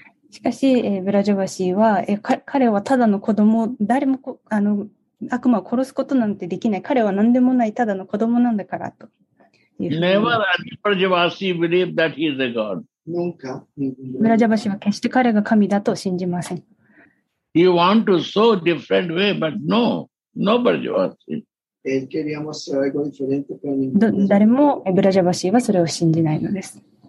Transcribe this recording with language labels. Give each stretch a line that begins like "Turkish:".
Japanese: しかし、ブラジョバシーは、彼はただの子供、誰もあの悪魔を殺すことなんてできない。彼は何でもないただの子供なんだからと。
English: Never any Brajavasi believe that he is a god.
Japanese: ブラジャバシは決して彼が神だと信じません。
English: He wants to show a different way, but no, no ブラジャバシ。
Japanese: 誰もブラジャバシはそれを信じないのです。